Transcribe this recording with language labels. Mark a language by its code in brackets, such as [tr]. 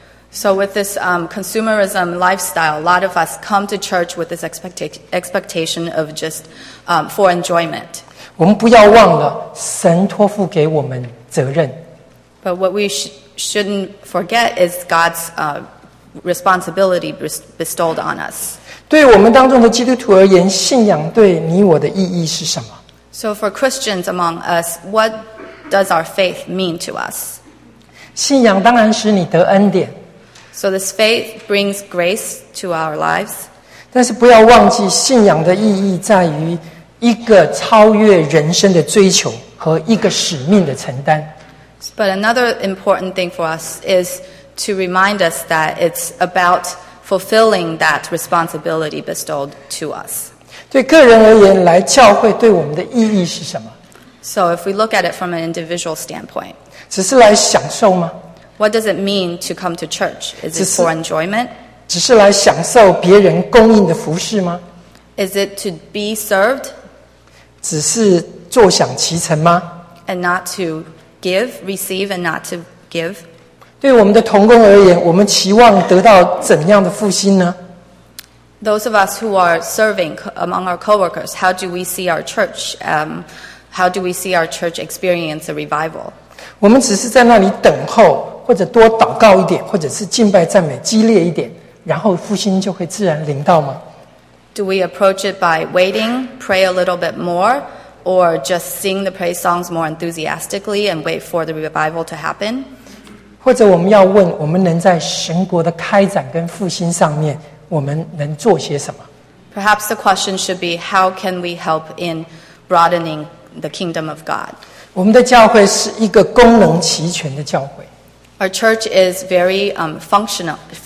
[en] So with this consumerism lifestyle, a lot of us come to church with this expectation of just for enjoyment. [zh] 我们不要忘了神托付给我们责任。 [en] But what we shouldn't forget is God's responsibility bestowed on us. [zh] 对我们当中的基督徒而言, 信仰对你我的意义是什么? [en] So for Christians among us, what does our faith mean to us? [zh] 信仰当然使你得恩典。 [en] So this faith brings grace to our lives. [zh] 但是不要忘记信仰的意义在于一个超越人生的追求和一个使命的承担。 [en] But another important thing for us is to remind us that it's about fulfilling that responsibility bestowed to us. [zh] 对个人而言，来教会对我们的意义是什么？ [en] So if we look at it from an individual standpoint, [zh] 只是来享受吗？ [en] What does it mean to come to church? Is it for enjoyment? [zh] 只是来享受别人供应的服事吗？ [en] Is it to be served? [zh] 只是坐享其成吗？ [en] And not to give, receive, and not to give. [zh] 对我们的同工而言，我们期望得到怎样的复兴呢？ [en] Those of us who are serving among our coworkers, how do we see our church? How do we see our church experience a revival? [zh] 我们只是在那里等候，或者多祷告一点，或者是敬拜赞美激烈一点，然后复兴就会自然临到吗？ [en] Do we approach it by waiting, pray a little bit more? Or just sing the praise songs more enthusiastically and wait for the revival to happen? [zh] 或者我们要问，我们能在神国的开展跟复兴上面，我们能做些什么？ [en] Perhaps the question should be, how can we help in broadening the kingdom of God? [zh] 我们的教会是一个功能齐全的教会。 [en] Our church is very functioning.